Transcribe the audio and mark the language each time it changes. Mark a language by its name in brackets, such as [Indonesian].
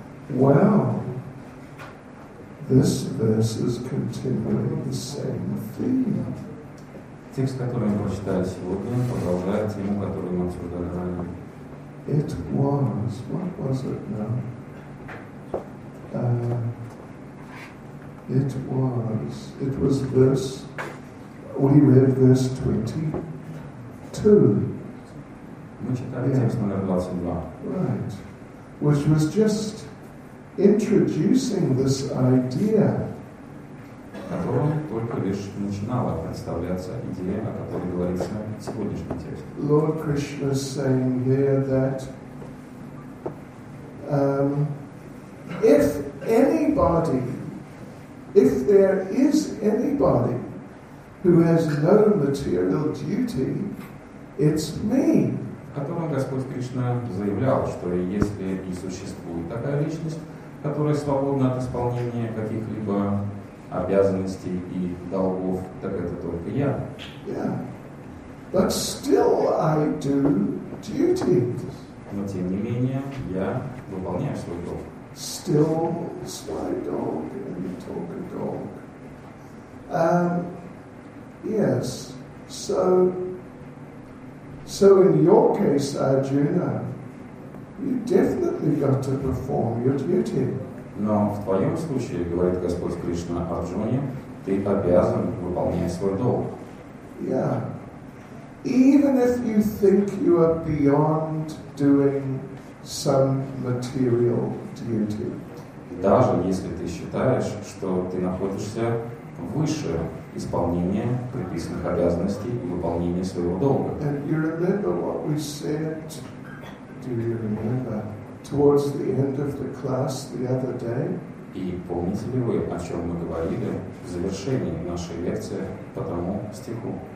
[English] Well, this verse is continuing the same theme. [Russian] Текст, который мы прочитали сегодня, продолжает тему, которую мы обсуждали ранее. [English] It was, what was it now? It was verse. We read verse 22. [Russian] Мы читали текст номер 22. [English] Right. Which was just introducing this idea. [Russian] Которая только лишь начинала представляться идея, о которой говорится в сегодняшнем тексте. [English] Lord Krishna is saying here that if there is anybody who has no material duty, it's me. [Russian] Которым Господь Кришна заявлял, что если и существует такая личность, которая свободна от исполнения каких-либо обязанностей и долгов, так это только я. [English] Yeah. But still I do duties. [Russian] Но тем не менее я выполняю свой долг. Still it's my dog and you talk a dog. [English] Yes, so in your case, Arjuna, you definitely got to perform your duty. [Russian] Но в твоем случае, говорит Господь Кришна Арджуне, ты обязан выполнять свой долг. [English] Yeah, even if you think you are beyond doing some material duty. [Russian] Даже если ты считаешь, что ты находишься выше исполнения предписанных обязанностей и выполнения своего долга. [English] And you remember what we said, do you remember, towards the end of the class the other day? [Russian] И помните ли вы, о чем мы говорили в завершении нашей лекции по тому стиху?